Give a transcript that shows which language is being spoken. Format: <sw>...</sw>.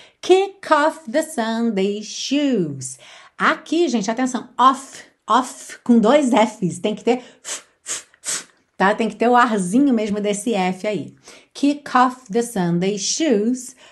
<en>Kick off the Sunday shoes.</en> <pt>Aqui, gente, atenção, off, off, com dois Fs, tem que ter tá? Tem que ter o arzinho mesmo desse F aí.</pt> <en>Kick off the Sunday shoes.</en>